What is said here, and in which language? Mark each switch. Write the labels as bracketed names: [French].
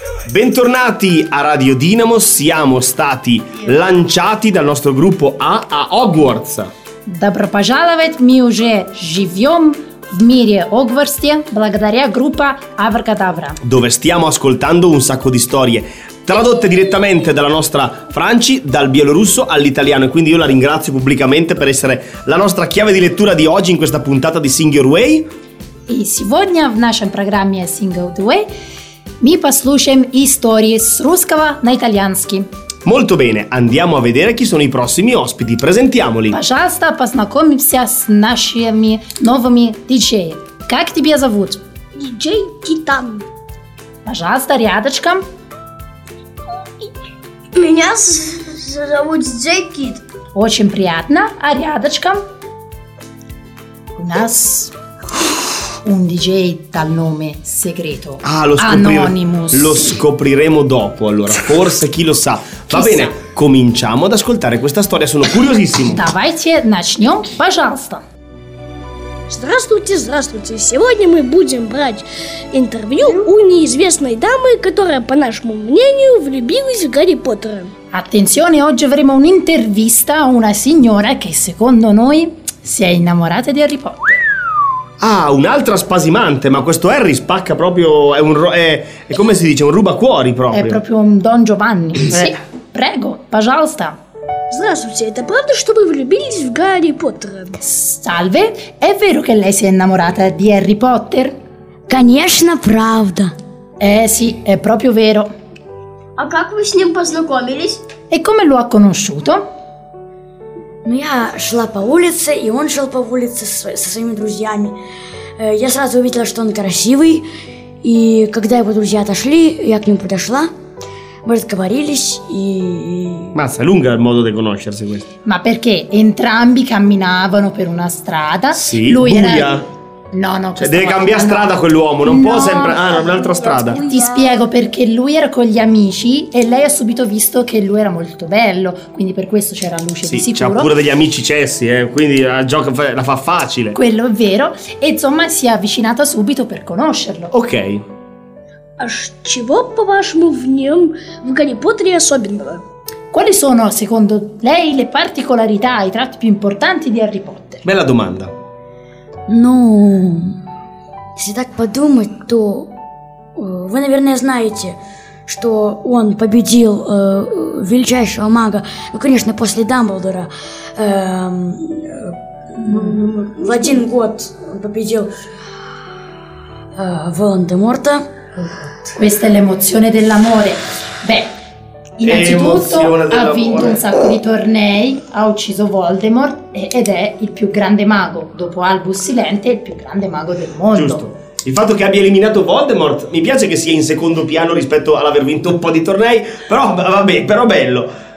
[Italian] Bentornati a Radio Dinamo, siamo stati lanciati dal nostro gruppo A a Hogwarts. [Russian] Добро пожаловать, мы уже живем в мире Огварсте благодаря группе Абракадабра. [Italian] Dove stiamo ascoltando un sacco di storie tradotte direttamente dalla nostra Franci, dal bielorusso all'italiano, e quindi io la ringrazio pubblicamente per essere la nostra chiave di lettura di oggi in questa puntata di Sing Your Way. [Russian] E сегодня в нашем программе Sing Your Way мы послушаем истории с русского на итальянский. [Italian] Molto bene, andiamo a vedere chi sono i prossimi ospiti. Presentiamoli. [Russian] Пожалуйста, познакомимся с нашими новыми диджеями. Как тебя зовут? Диджей Титан. Пожалуйста, рядочком. Меня зовут Диджей Кит. Очень приятно. А рядочком? У нас [Italian] un DJ dal nome segreto. Ah, lo Anonymous. Lo scopriremo dopo, allora. Forse chi lo sa. Va chi bene, sa. Cominciamo ad ascoltare questa storia. Sono curiosissimo. [Russian] Давайте начнём, пожалуйста. Здравствуйте, здравствуйте. Сегодня мы будем брать интервью у неизвестной дамы, которая, по нашему мнению, влюбилась в Гарри Поттера. [Italian] Attenzione, oggi avremo un'intervista a una signora che secondo noi si è innamorata di Harry Potter. Ah, un'altra spasimante, ma questo Harry spacca proprio, è come si dice, un rubacuori proprio. È proprio un Don Giovanni. Sì, prego, пожалуйста. [Russian] Здравствуйте, это правда, что вы влюбились в Гарри Поттер? [Italian] Salve, è vero che lei si è innamorata di Harry Potter? [Russian] Конечно, правда. [Italian] Sì, è proprio vero. [Russian] А как вы с ним познакомились? [Italian] E come lo ha conosciuto? [Russian] Ну, я шла по улице, и он шел по улице со своими друзьями. Я сразу увидела, что он красивый, и когда его друзья отошли, я к нему подошла, мы разговорились, и... [Italian] Mazza, lunga il modo di conoscersi questo. Ma perché entrambi camminavano per una strada? Sì, lui buia. Era... No, no, cioè, deve cambiare no. strada quell'uomo, non no, può sempre... Ah, un'altra strada. Ti spiego, perché lui era con gli amici e lei ha subito visto che lui era molto bello, quindi per questo c'era luce, sì, di sicuro. Sì, c'ha pure degli amici cessi, quindi la gioca la fa facile. Quello è vero, e insomma si è avvicinata subito per conoscerlo. Ok. [Russian] Чего, по-вашему, в нем, в Гарри Поттере особенного? [Italian] Quali sono, secondo lei, le particolarità, i tratti più importanti di Harry Potter? Bella domanda. [Russian] Ну, если так подумать, то вы, наверное, знаете, что он победил величайшего мага, ну, конечно, после Дамблдора. В один год он победил Волан-де-Морта. [Italian] Questa è l'emozione dell'amore. Beh, innanzitutto ha vinto un sacco di tornei, ha ucciso Voldemort ed è il più grande mago, dopo Albus Silente, il più grande mago del mondo. Giusto, il fatto che abbia eliminato Voldemort mi piace che sia in secondo piano rispetto all'aver vinto un po' di tornei, però vabbè, però bello.